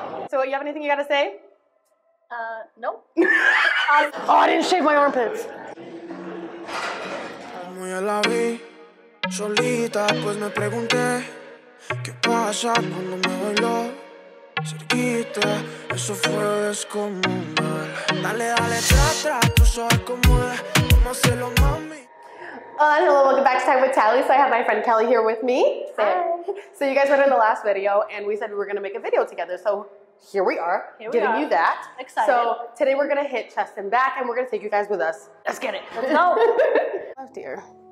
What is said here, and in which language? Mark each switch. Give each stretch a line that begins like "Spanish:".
English: So, you have anything you gotta say? Nope. Oh, I didn't shave my armpits.
Spanish: Como ya la vi, solita, pues me pregunté, ¿qué pasa cuando me bailó? Cerquita, eso fue descomunal. Dale, dale, tra, tú sabes cómo es, cómo hacerlo, mami.
English: Hello, welcome back to Time with Tali. So I have my friend Kellie here with me. Hi. So you guys were in the last video and we said we were going to make a video together. So here we are, giving you that. Excited. So today we're going to hit chest and back and we're going to take you guys with us. Let's get it. Let's go. Left ear.